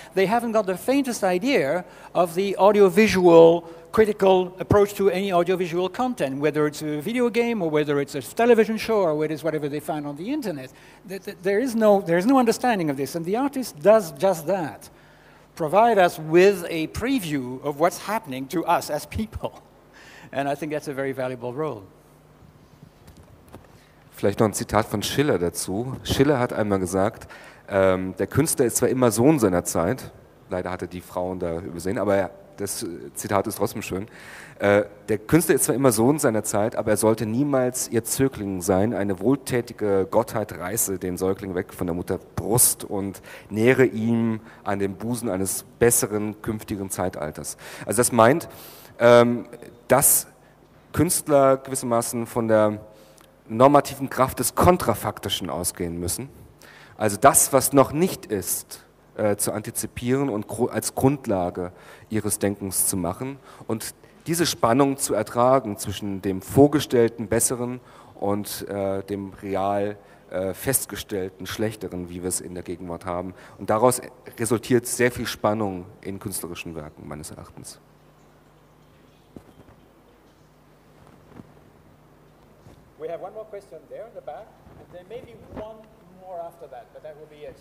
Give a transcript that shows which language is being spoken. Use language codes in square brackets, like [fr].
[en] They haven't got the faintest idea of the audiovisual critical approach to any audiovisual content, whether it's a video game or whether it's a television show or whether it's whatever they find on the internet. There is no understanding of this, and the artist does just that, provide us with a preview of what's happening to us as people. And I think that's a very valuable role. [de] Vielleicht noch ein Zitat von Schiller dazu. Schiller hat einmal gesagt, der Künstler ist zwar immer Sohn seiner Zeit, leider hat er die Frauen da übersehen, aber das Zitat ist trotzdem schön. Der Künstler ist zwar immer Sohn seiner Zeit, aber er sollte niemals ihr Zögling sein. Eine wohltätige Gottheit reiße den Säugling weg von der Mutter Brust und nähre ihm an den Busen eines besseren, künftigen Zeitalters. Also das meint, dass Künstler gewissermaßen von der normativen Kraft des Kontrafaktischen ausgehen müssen. Also das, was noch nicht ist, zu antizipieren und als Grundlage ihres Denkens zu machen und diese Spannung zu ertragen zwischen dem vorgestellten Besseren und dem real festgestellten Schlechteren, wie wir es in der Gegenwart haben. Und daraus resultiert sehr viel Spannung in künstlerischen Werken, meines Erachtens. [en] We have one more question there in the back. And there may be one more after that, but that will be it.